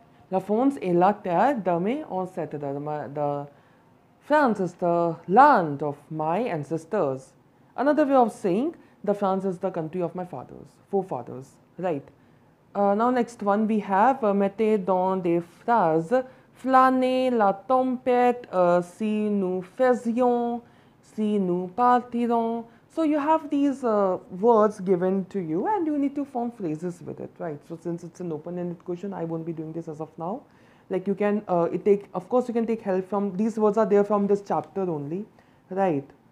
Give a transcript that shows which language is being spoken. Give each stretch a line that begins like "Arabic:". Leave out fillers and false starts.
French: La fons et la terre de mes ancêtres.
English: The France is the land of my ancestors. Another way of saying, the France is the country of my fathers, forefathers. Right. Now next one we have,
French: mettez dans des phrases, flâner la tempête, si nous faisions, si nous partirons.
English: So you have these words given to you and you need to form phrases with it, right? So since it's an open-ended question, I won't be doing this as of now. Like you can, of course you can take help from, these words are there from this chapter only, right?